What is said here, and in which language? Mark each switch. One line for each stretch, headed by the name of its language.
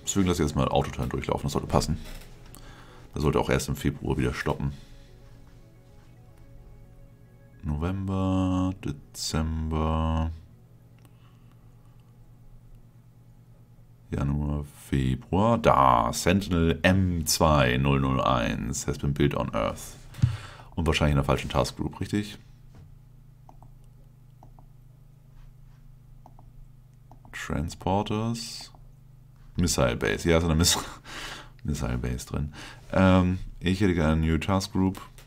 German: Deswegen lasse ich jetzt mal Autoturn durchlaufen. Das sollte passen. Das sollte auch erst im Februar wieder stoppen. November, Dezember, Januar, Februar. Da!
English: Sentinel M2001 has been built on Earth.
German: Und wahrscheinlich in der falschen Taskgroup, richtig? Transporters. Missile Base. Ja, ist eine Missile Base drin. Ich hätte gerne eine New Task Group.